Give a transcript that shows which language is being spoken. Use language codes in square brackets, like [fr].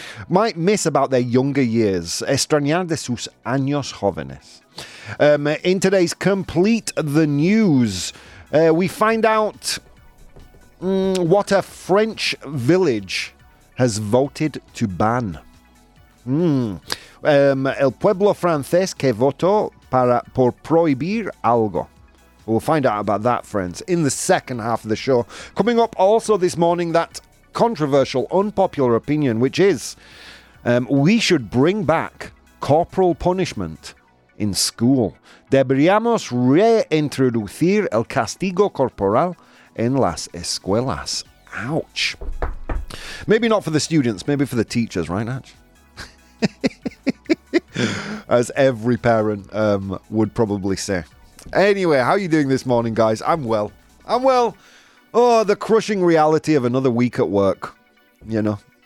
[en] Might miss about their younger years, [es] extrañar de sus años jóvenes. [en] In today's Complete the News, we find out what a French village has voted to ban. [es] El pueblo francés que votó por prohibir algo. [en] We'll find out about that, friends, in the second half of the show. Coming up also this morning, that controversial, unpopular opinion, which is we should bring back corporal punishment in school. [es] Deberíamos reintroducir el castigo corporal en las escuelas. [en] Ouch. Maybe not for the students, maybe for the teachers, right, Natch? As every parent would probably say. Anyway, how are you doing this morning, guys? I'm well. Oh, the crushing reality of another week at work, you know.